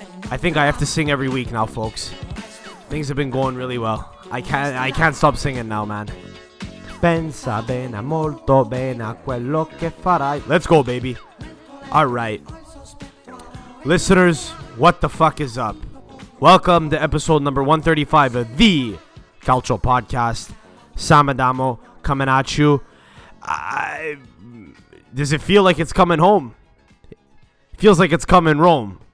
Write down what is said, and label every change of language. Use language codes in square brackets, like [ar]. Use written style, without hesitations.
[en] I think I have to sing every week now, folks. Things have been going really well. I can't stop singing now, man. [it] Pensa bene, molto bene a quello che farai. [en] Let's go, baby. All right. Listeners, what the fuck is up? Welcome to episode number 135 of The Cultural Podcast. Sam Adamo coming at you. Does it feel like it's coming home? It feels like it's coming Rome.